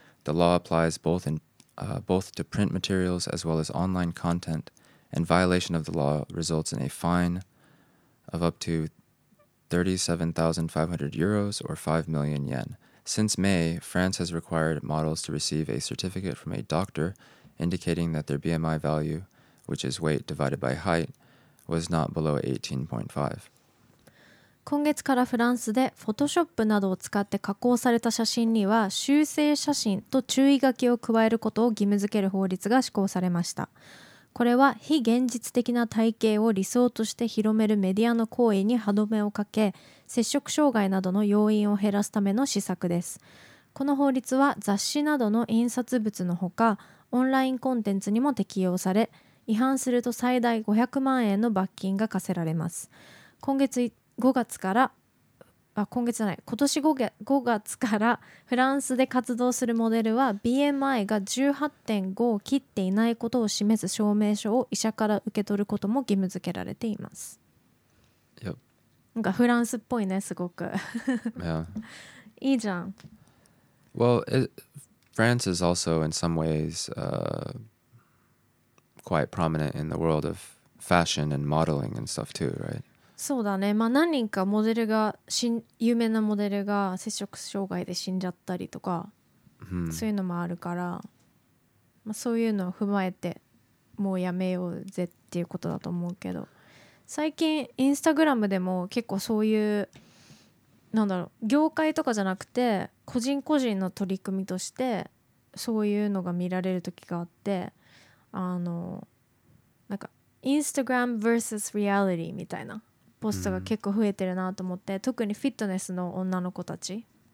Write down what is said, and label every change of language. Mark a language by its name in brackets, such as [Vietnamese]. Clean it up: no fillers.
[English] The law applies both to print materials as well as online content, and violation of the law results in a fine of up to 37,500 euros or 5 million yen. Since May, France has required models to receive a certificate from a doctor indicating that their BMI value, which is weight divided by height,Was not below 18.5. [Japanese] 今月からフランスでフォトショップなどを使って加工された写真には修正写真と注意書きを加えることを義務付ける法律が施行されました。これは非現実的な体型を理想として広めるメディアの行為に歯止めをかけ、摂食障害などの要因を減らすための施策です。この法律は雑誌などの印刷物のほか、オンラインコンテンツにも適用され、違反すると最大500万円の罰金が課せられます。今年5月からフランスで活動するモデルは BMI が 18.5 を切っていないことを示す証明書を医者から受け取ることも義務付けられています。 [English] Yep. [Japanese] なんかフランスっぽいね、すごく。 [English] Yeah. [Japanese] いいじゃん。 [English] Well, France is also in some ways, quite prominent in the world of fashion and modeling and stuff too, right? [Japanese] そうだね。まあ何人かモデルが有名なモデルが摂食障害で死んじゃったりとか、 hmm. そういうのもあるから、まあ、そういうのを踏まえてもうやめようぜっていうことだと思うけど、最近インスタグラムでも結構そういう、なんだろう、業界とかじゃなくて個人個人の取り組みとしてそういうのが見られる時があって、あのなんかインスタグラム versus リアリティみたいなポストが結構増えてるなと思って、特にフィットネスの女の子たち、